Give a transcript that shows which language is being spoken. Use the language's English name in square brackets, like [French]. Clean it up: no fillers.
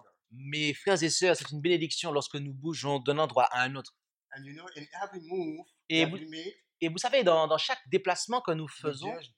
[French] Mes frères et sœurs, c'est une bénédiction lorsque nous bougeons d'un endroit à un autre. [English] And you know, in every move that we make, [French] et vous savez, dans chaque déplacement que nous faisons,